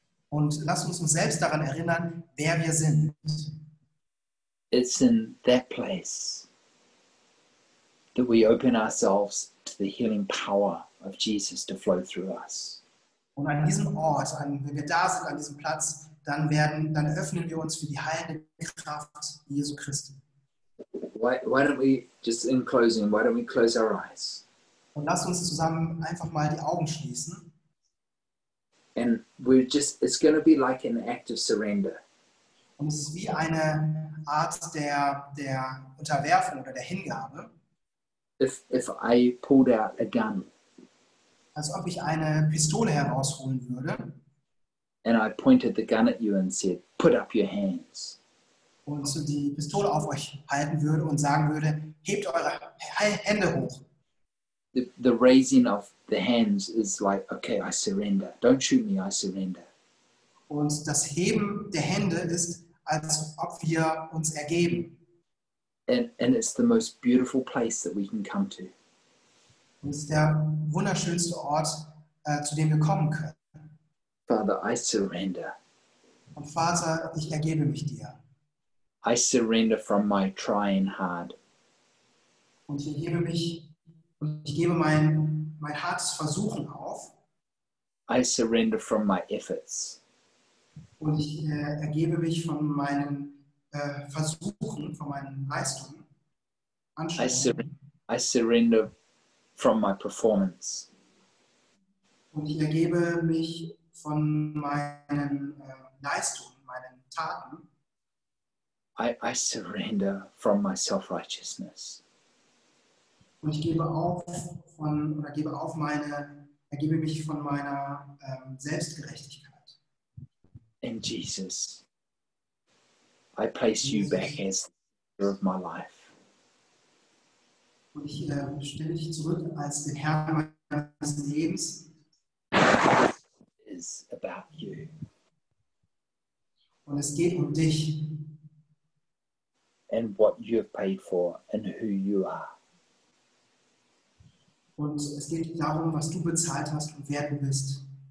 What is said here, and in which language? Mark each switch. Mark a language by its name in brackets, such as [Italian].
[German] Und lass uns selbst daran erinnern, wer wir sind. [English] It's in that place that we open ourselves to the healing power of Jesus to flow through us. [German] Und an diesem Ort, wenn wir da sind, an diesem Platz, dann öffnen wir uns für die heilende Kraft Jesu Christi. [English] Why don't we, just in closing, why don't we close our eyes? [German] Und lass uns zusammen einfach mal die Augen schließen. [English] And we're just, it's going to be like an act of surrender. [German] Und es ist wie eine Art der Unterwerfung oder der Hingabe. [English] If I pulled out a gun. [German] Als ob ich eine Pistole herausholen würde. [English] And I pointed the gun at you and said, put up your hands. [German] Und so die Pistole auf euch halten würde und sagen würde, hebt eure Hände hoch. [English] The raising of the hands is like, okay, I surrender. Don't shoot me, I surrender. [German] Und das Heben der Hände ist, als ob wir uns ergeben. [English] And it's the most beautiful place that we can come to. [German] Und es ist der wunderschönste Ort, zu dem wir kommen können. [English] Father, I surrender. [German] Und Vater, ich ergebe mich dir. [English] I surrender from my trying heart. [German] Und ich ergebe mich, und ich gebe mein hartes Versuchen auf. [English] I surrender from my efforts. [German] Und ich ergebe mich von meinen Versuchen, von meinen Leistungen. [English] I surrender from my performance. [German] Und ich ergebe mich von meinen Leistungen, meinen Taten. [English] I surrender from my self-righteousness. [German] Und ich gebe auf von oder gebe auf meine, ergebe mich von meiner Selbstgerechtigkeit. [English] And Jesus, I place you back as the center of my life. [German] Und ich stelle dich zurück als den Herrn meines Lebens. [English] Is about you. [German] Und es geht um dich. [English] And what you have paid for and who you are. [German] Und es geht darum, was du bezahlt hast und wer du bist.